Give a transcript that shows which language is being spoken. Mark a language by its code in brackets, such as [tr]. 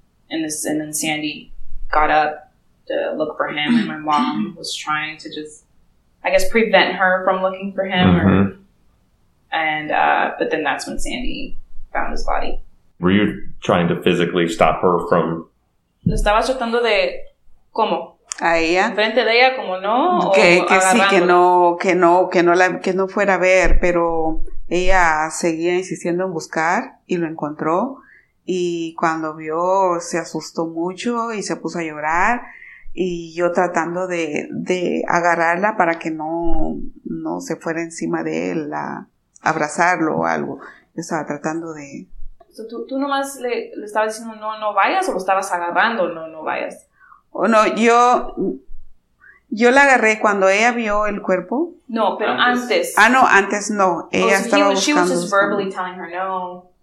[en] And then Sandy got up to look for him, and my mom was trying to just, I guess, prevent her from looking for him. Mm-hmm. But then that's when Sandy found his body. Were you trying to physically stop her from? [es] Estaba tratando de cómo. A ella. Enfrente de ella, como no. Que sí, que no fuera a ver, pero ella seguía insistiendo en buscar y lo encontró. Y cuando vio, se asustó mucho y se puso a llorar. Y yo tratando de agarrarla para que no se fuera encima de él a abrazarlo o algo. Yo estaba tratando de. ¿Tú nomás le estabas diciendo no vayas o lo estabas agarrando no vayas? No, yo la agarré cuando ella vio el cuerpo. No, pero antes. Ah, no, antes no. Ella estaba buscando. [en] She was just verbally telling her no.